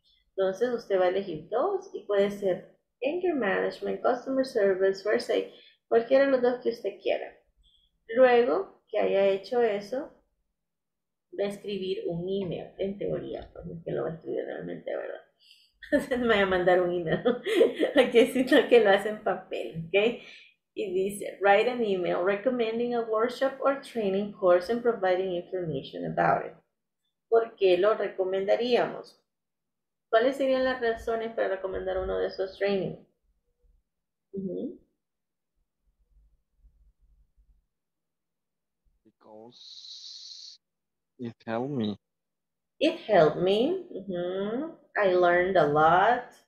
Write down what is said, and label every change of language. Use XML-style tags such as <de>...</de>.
<es>Entonces, usted va a elegir dos y puede ser Anger Management, Customer Service, First Aid, cualquiera de los dos que usted quiera. Luego que haya hecho eso, va a escribir un email, en teoría, porque lo va a escribir realmente, ¿verdad? Entonces, me va a mandar un email, aquí sino que lo hace en papel, ¿ok? Y dice,</es> <en>write an email recommending a workshop or training course and providing information about it.</en> <es>¿Por qué lo recomendaríamos? ¿Cuáles serían las razones para recomendar uno de esos trainings?</es> <en>Because it helped me. It helped me. Mm-hmm. I learned a lot.</en>